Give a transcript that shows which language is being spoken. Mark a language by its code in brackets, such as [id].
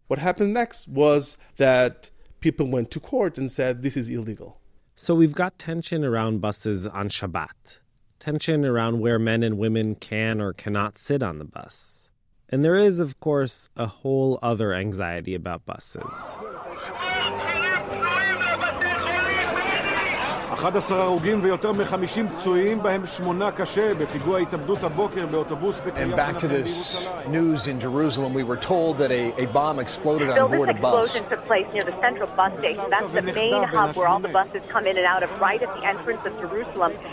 [en] What happened next was that people went to court and said, this is illegal. So we've got tension around buses on Shabbat. Tension around where men and women can or cannot sit on the bus. And there is, of course, a whole other anxiety about buses. [he] 11 הרוגים ויותר מ-50 פצועים, בהם 8 קשה בפיגוע התאבדות הבוקר באוטובוס בקריית [en] מלאכי. And back to this news in Jerusalem, we were told that a bomb exploded on board a bus. This explosion took place near the central bus station. That's the main hub where all the buses come in and out of, right at the entrance of Jerusalem.